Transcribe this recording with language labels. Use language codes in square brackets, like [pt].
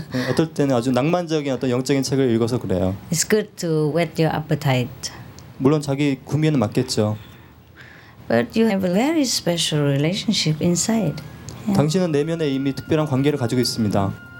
[ko] 어떨 때는 아주 낭만적인 어떤 영적인 책을 읽어서 그래요. [en] It's good to whet your appetite. [ko] 물론 자기 구미에는 맞겠죠. [en] But you have a very special relationship inside. [ko] 당신은 내면에 이미 특별한 관계를 가지고 있습니다.